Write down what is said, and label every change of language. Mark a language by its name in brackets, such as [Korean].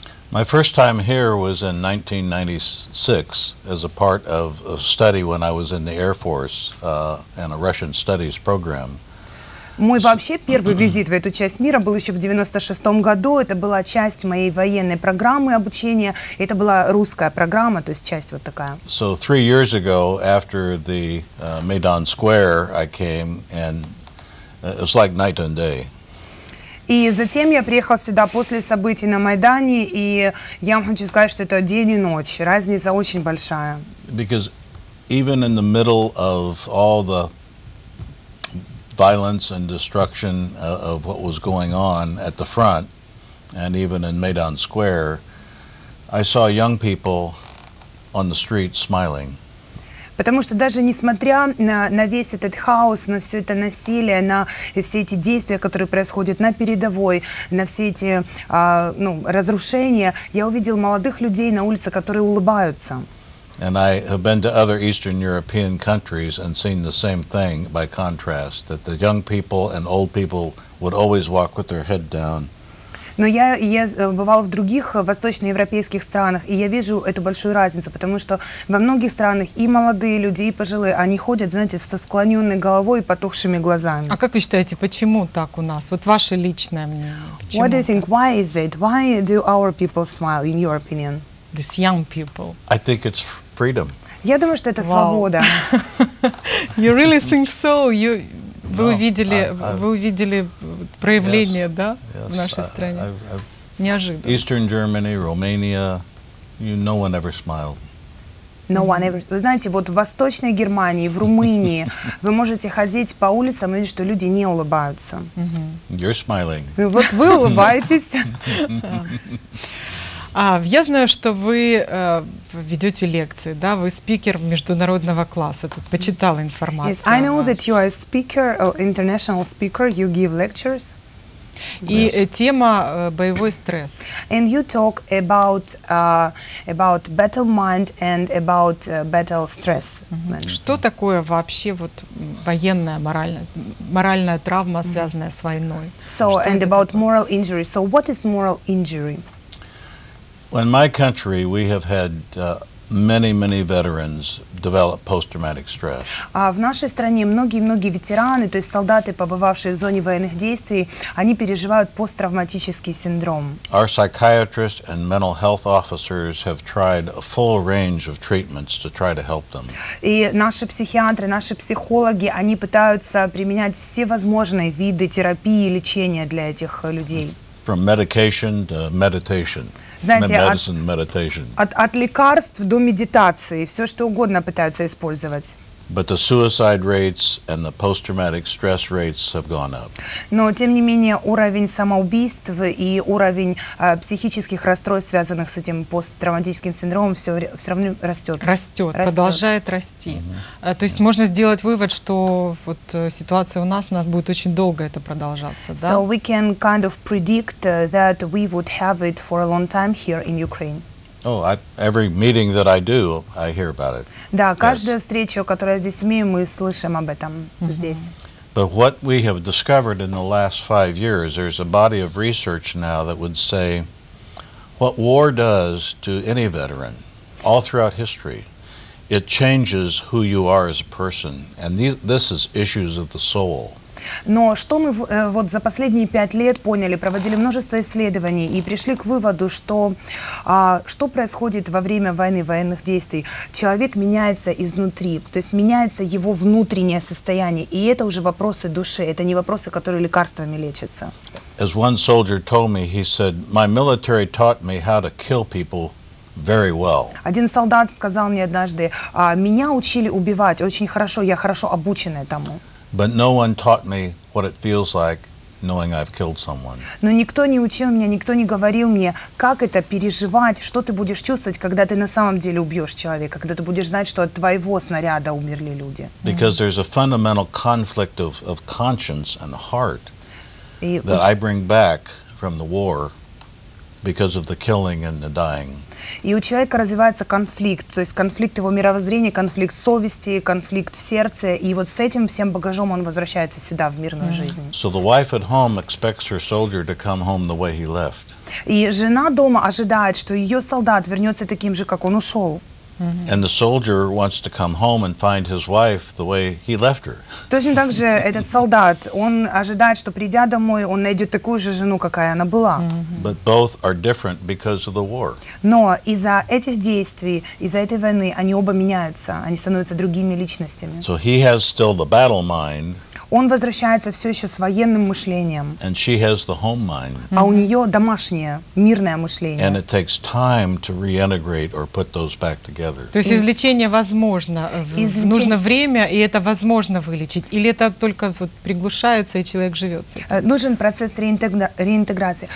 [English] My first time here was in 1996 as a part of a study when I was in the Air Force and a Russian studies program. [Russian] Мой вообще первый визит в эту часть мира был еще в 96-м году. Это была часть моей военной программы обучения. Это была русская программа, то есть часть вот такая. [English] So 3 years ago, after the Maidan Square, I came, and it was like night and day. [Russian] И затем я приехал сюда после событий на Майдане, и я вам хочу сказать, что это день и ночь. Разница очень большая. [English] Because even in the middle of all the violence and destruction of what was going on at the front, and even in Maidan Square, I saw young people on the street smiling. [Russian] Потому что даже несмотря на весь этот хаос, на все это насилие, на все эти действия, которые происходят на передовой, на все эти разрушения, я увидел молодых людей на улице, которые улыбаются. [English] And I have been to other Eastern European countries and seen the same thing by contrast, that the young people and old people would always walk with their head down. [Russian] Но я бывал в других восточноевропейских странах, и я вижу эту большую разницу, потому что во многих странах и молодые люди, и пожилые, они ходят, знаете, со склоненной головой и потухшими глазами. А как вы считаете, почему так у нас? Вот ваше личное мнение. Почему? [English] What do you think? Why is it? Why do our people smile, in your opinion? These young people. I think it's freedom. [Russian] Я думаю, что это свобода. [English] You really think so? You... [Russian] Вы увидели, вы увидели проявление, [English] yes, [Russian] да, [English] yes, [Russian] в нашей стране? Неожиданно. [English] Eastern Germany, Romania, no one ever smiled. No one ever. [Russian] Вы знаете, вот в Восточной Германии, в Румынии, вы можете ходить по улицам и видеть, что люди не улыбаются. [English] You're smiling. [Russian] Вот вы улыбаетесь. Я знаю, что вы ведете лекции, да, вы спикер международного класса. Тут почитала информацию. [English] Yes, I know that you are a speaker, an international speaker. You give lectures. [Russian] И тема боевой стресс. [English] And you talk about about battle mind and about battle stress. [Russian] Что такое вообще вот военная моральная травма, связанная с войной? [English] So and about moral injury. So what is moral injury? In my country, we have had many, many veterans develop post-traumatic stress. [Russian] В нашей стране многие ветераны, то есть солдаты, побывавшие в зоне военных действий, они переживают посттравматический синдром. [English] Our psychiatrists and mental health officers have tried a full range of treatments to try to help them. [Russian] И наши психиатры, наши психологи, они пытаются применять все возможные виды терапии и лечения для этих людей. [English] From medication to meditation. Medicine, meditation. [Russian] От лекарств до медитации, все что угодно пытаются использовать. [English] But the suicide rates and the post-traumatic stress rates have gone up. [Russian] Но тем не менее уровень самоубийств и уровень психических расстройств, связанных с этим посттравматическим синдромом, все равно растет. Растет, продолжает расти. То есть можно сделать вывод, что вот ситуация у нас будет очень долго это продолжаться, да? [English] So we can kind of predict that we would have it for a long time here in Ukraine. Oh, every meeting that I do, I hear about it. [Russian] Да, каждую встречу, которую я здесь имею, мы слышим об этом здесь. [English] But what we have discovered in the last 5 years, there's a body of research now that would say what war does to any veteran all throughout history it changes who you are as a person. And this is issues of the soul. [Russian] Но что мы вот за последние 5 лет поняли, проводили множество исследований и пришли к выводу, что что происходит во время войны, военных действий? Человек меняется изнутри, то есть меняется его внутреннее состояние, и это уже вопросы души, это не вопросы, которые лекарствами лечатся. [English] As one soldier told me, he said, my military taught me how to kill people very well. [Russian] Один солдат сказал мне однажды, меня учили убивать очень хорошо, я хорошо обучен этому. [English] But no one taught me what it feels like knowing I've killed someone. [Russian] Но никто не учил меня, никто не говорил мне, как это переживать, что ты будешь чувствовать, когда ты на самом деле убьешь человека, когда ты будешь знать, что от твоего снаряда умерли люди. [English] Because there's a fundamental conflict of conscience and heart that I bring back from the war because of the killing and the dying. [Russian] И у человека развивается конфликт, то есть конфликт его мировоззрения, конфликт совести, конфликт в сердце, и вот с этим всем багажом он возвращается сюда, в мирную жизнь. [English] So the wife at home expects her soldier to come home the way he left. [Russian] И жена дома ожидает, что ее солдат вернется таким же, как он ушел. [English] And the soldier wants to come home and find his wife the way he left her. [Russian] Точно так же этот солдат, он ожидает, что придя домой, он найдет такую же жену, какая она была. [English] But both are different because of the war. [Russian] Но из-за этих действий, из-за этой войны, они оба меняются, они становятся другими личностями. [English] So he has still the battle mind. [Russian] Он возвращается все еще с военным мышлением. [English] And she has the home mind. [Russian] А у нее домашнее, мирное мышление. [English] And it takes time to reintegrate or put those back together. [Russian] То есть излечение возможно. Излечение. Нужно время, и это возможно вылечить. Или это только вот приглушается, и человек живет с этим? Нужен процесс реинтеграции.